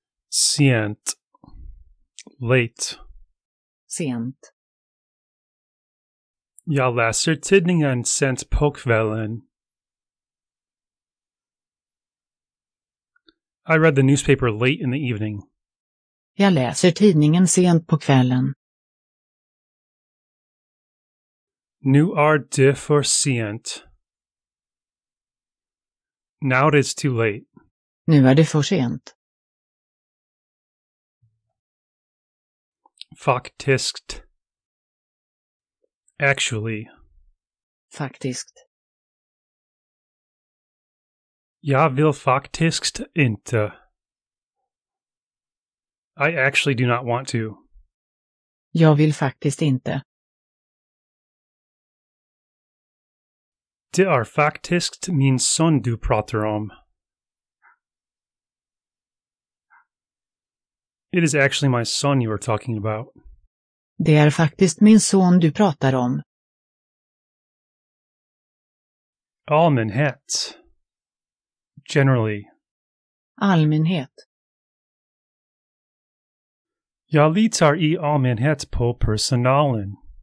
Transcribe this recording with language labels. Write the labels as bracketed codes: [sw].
[sv] Sent. [en] Late. [sv] Sent. Jag läser tidningen sent på kvällen. [en] I read the newspaper late in the evening. [sv] Jag läser tidningen sent på kvällen. Nu är det för sent. [en] Now it is too late. [sv] Nu är det för sent. Faktiskt. [en] Actually. [sv] Faktiskt. Jag vill faktiskt inte. [en] I actually do not want to. [sv] Jag vill faktiskt inte. Det är faktiskt min son du pratar om. [en] It is actually my son you are talking about. [sv] Det är faktiskt min son du pratar om. Allmänhet. [en] Generally. [sv] Allmänhet. Jag litar i allmänhet på personalen.